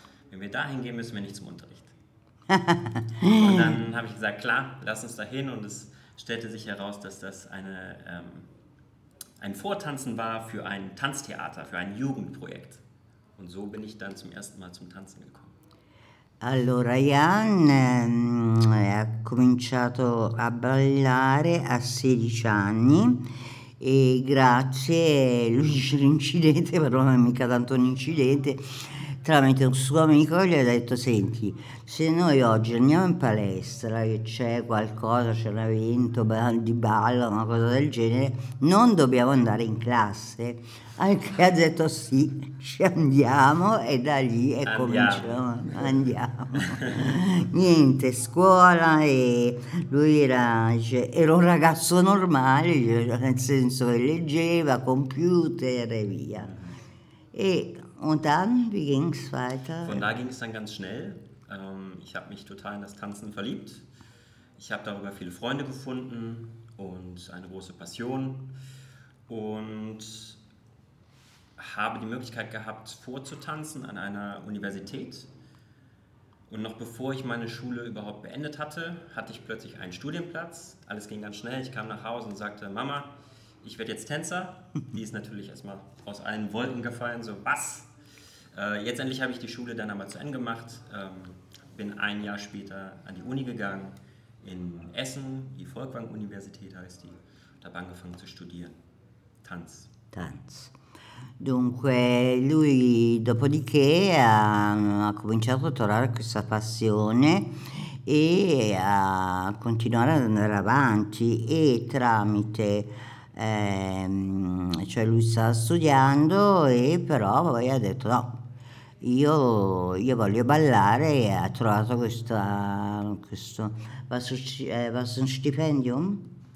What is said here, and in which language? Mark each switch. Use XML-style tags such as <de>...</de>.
<de>Wenn wir da hingehen, müssen wir nicht zum Unterricht. Und dann habe ich gesagt, klar, lass uns da hin. Und es stellte sich heraus, dass das ein Vortanzen war für ein Tanztheater, für ein Jugendprojekt. Und so bin ich dann zum ersten Mal zum Tanzen gekommen.</de> <it>Allora, Jan ha cominciato a ballare a 16 anni e grazie, lui dice l'incidente, però non è mica tanto un incidente, tramite un suo amico gli ha detto, senti, se noi oggi andiamo in palestra e c'è qualcosa, c'è un evento di ballo, una cosa del genere, non dobbiamo andare in classe. Anche ha detto sì, ci andiamo, e da lì è cominciato, andiamo. Niente, scuola, e lui era un ragazzo normale, nel senso che leggeva, computer e via. E</it> <de>Von da ging es dann ganz schnell. Ich habe mich total in das Tanzen verliebt. Ich habe darüber viele Freunde gefunden und eine große Passion. Und habe die Möglichkeit gehabt, vorzutanzen an einer Universität. Und noch bevor ich meine Schule überhaupt beendet hatte, hatte ich plötzlich einen Studienplatz. Alles ging ganz schnell. Ich kam nach Hause und sagte, Mama, ich werde jetzt Tänzer. Die ist natürlich erstmal aus allen Wolken gefallen. So, was? Jetzt endlich habe ich die Schule dann aber zu Ende gemacht, bin ein Jahr später an die Uni gegangen, in Essen, die Folkwang-Universität heißt die, und habe angefangen zu studieren. Tanz. Tanz.</de> <it>Dunque, lui dopodiché ha cominciato a trovare questa passione e a continuare ad andare avanti e tramite, cioè lui sta studiando e però poi ha detto no, io voglio ballare e ha trovato questo vasto stipendium.</it>